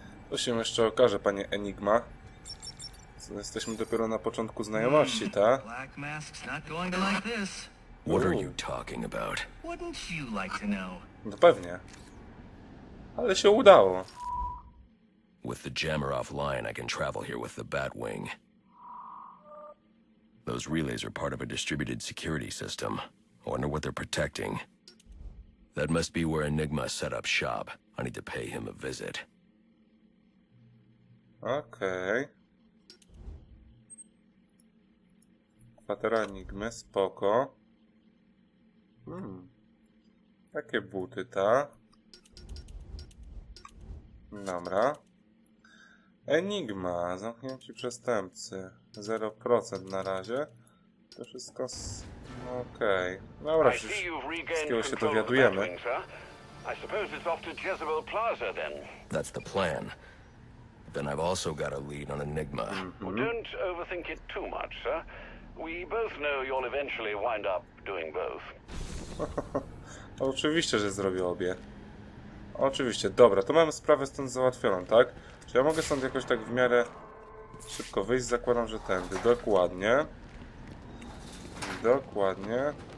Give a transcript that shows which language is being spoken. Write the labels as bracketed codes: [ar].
[pl] Co się jeszcze okaże, panie Enigma? Jesteśmy dopiero na początku znajomości, tak? [en] Black Mask's not going to like this. What are you talking about? Wouldn't you like to know? [pl] No pewnie. Ale się udało. [en] With the jammer offline, I can travel here with the Batwing. Those relays are part of a distributed security system. I wonder what they're protecting. That must be where Enigma set up shop. I need to pay him a visit. Okay. [pl] Patera Enigmy, spoko. Takie buty, ta. Dobra. Enigma, zamknięci przestępcy. 0% na razie. To wszystko z... okej. Okay. Dobra, już wszystkiego się dowiadujemy. [en] I suppose it's off to Jezebel Plaza then. That's the plan. Then I've also got a lead on Enigma. Well, don't overthink it too much, sir. We both know you'll eventually wind up doing both. [pl] Oczywiście, że zrobię obie. Oczywiście, dobra, to mamy sprawę stąd załatwioną, tak? Czy ja mogę stąd jakoś tak w miarę szybko wyjść? Zakładam, że tędy. Dokładnie. Dokładnie.